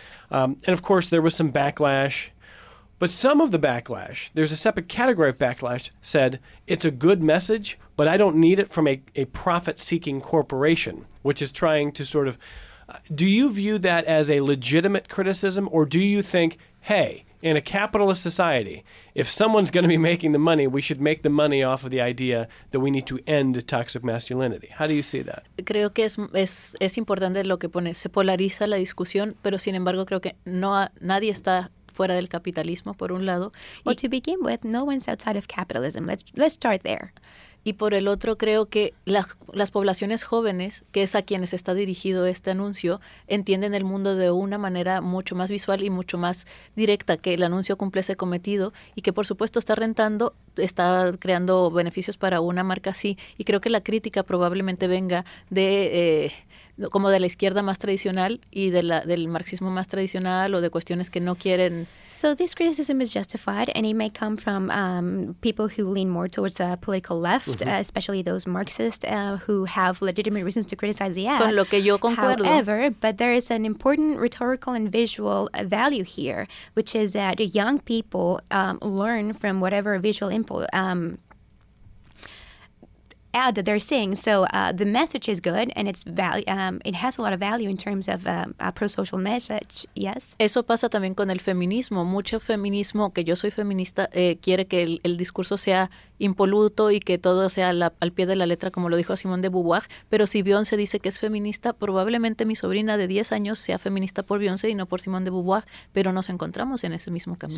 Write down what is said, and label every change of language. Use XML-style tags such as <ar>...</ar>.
<en>And of course, there was some backlash. But some of the backlash, there's a separate category of backlash, said, it's a good message, but I don't need it from a profit-seeking corporation, which is trying to sort of, do you view that as a legitimate criticism, or do you think, hey, in a capitalist society, if someone's going to be making the money, we should make the money off of the idea that we need to end toxic masculinity. How do you see that?</en> <es>Creo que es importante lo que pone. Se polariza la discusión, pero sin embargo creo que nadie está fuera del capitalismo, por un lado.</es> <en>Well, to begin with, no one's outside of capitalism. Let's start there.</en> <es>Y por el otro, creo que las poblaciones jóvenes, que es a quienes está dirigido este anuncio, entienden el mundo de una manera mucho más visual y mucho más directa, que el anuncio cumple ese cometido y que, por supuesto, está rentando, está creando beneficios para una marca así. Y creo que la crítica probablemente venga de como de la izquierda más tradicional y del marxismo más tradicional o de cuestiones que no quieren.</es> <en>So this criticism is justified and it may come from people who lean more towards the political left, mm-hmm. Especially those Marxists who have legitimate reasons to criticize the ad.</en> <es>Con lo que yo concuerdo.</es> <en>However, but there is an important rhetorical and visual value here, which is that young people learn from whatever visual input ad that they're seeing. So the message is good and it's it has a lot of value in terms of a pro-social message, yes?</en> <es>Eso pasa también con el feminismo. Mucho feminismo, que yo soy feminista, quiere que el discurso sea impoluto y que todo sea al pie de la letra, como lo dijo Simone de Beauvoir. Pero si Beyoncé dice que es feminista, probablemente mi sobrina de 10 años sea feminista por Beyoncé y no por Simone de Beauvoir, pero nos encontramos en ese mismo camino.</es>